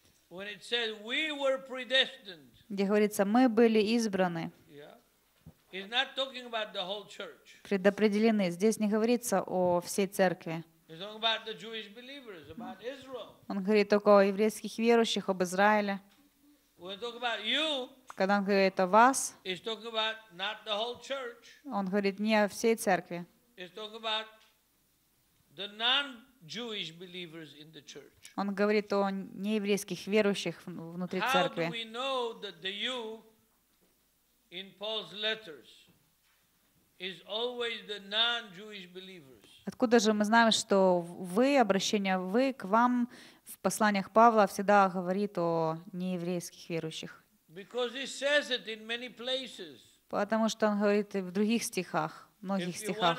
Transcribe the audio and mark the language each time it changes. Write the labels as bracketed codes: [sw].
[en] When it says we were predestined. [ru] Где говорится мы были избраны. [en] Yeah. It's not talking about the whole church. [ru] Предопределены. Здесь не говорится о всей церкви. [en] It's talking about the Jewish believers, about Israel. [ru] Он говорит только о еврейских верующих, об Израиле. [en] When it talks about you, [ru] когда он говорит о вас, [en] he's talking about not the whole church. [ru] Он говорит не о всей церкви. [en] He's talking about the non-Jewish believers in the church. [ru] Он говорит о нееврейских верующих внутри церкви. [en] How do we know that the you in Paul's letters is always the non-Jewish believers? [ru] Откуда же мы знаем, что вы, обращение вы к вам в посланиях Павла всегда говорит о нееврейских верующих? [en] Because he says it in many places. [ru] Потому что он говорит и в других стихах, многих стихах.